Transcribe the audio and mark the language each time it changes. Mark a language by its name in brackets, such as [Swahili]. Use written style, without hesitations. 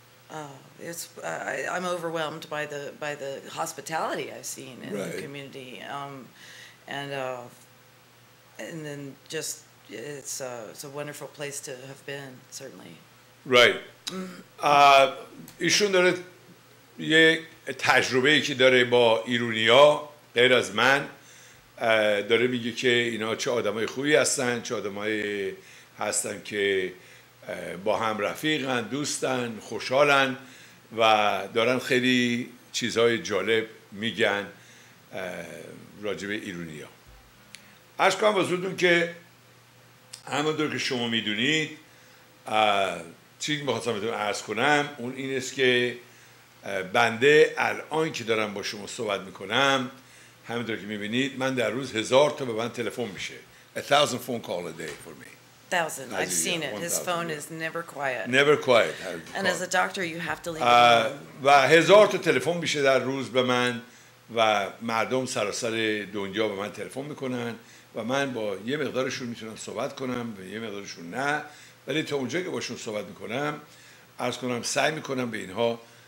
[English] I'm overwhelmed by the hospitality I've seen in right. the community, and then just it's a wonderful place to have been certainly. [Persian] Right. ایشون داره یه تجربه که داره با ایرونیا غیر از من داره میگه که اینا چه آدمای خوبی هستن چه آدمای هستن که با هم رفیقن دوستن خوشحالن و دارن خیلی چیزهای جالب میگن راجب ایرونیا عرض کنم بزرگتون که همونطور که شما میدونید چیزی که میخواستم بهتون عرض کنم اون این است که بنده الان که دارم با شما صحبت میکنم همینطور که میبینید من در روز 1,000 تا به من تلفن میشه [English] 1,000 phone call a day for me 1,000 I've seen it his phone is never quiet and as a doctor you have to leave [Persian] و 1,000 تا تلفن میشه در روز به من و مردم سراسر دنیا به من تلفن میکنن و من با یه مقدارشون میتونم صحبت کنم و یه مقدارشون نه ولی تا اونجا که باشون صحبت میکنم عرض کنم سعی میکنم به اینها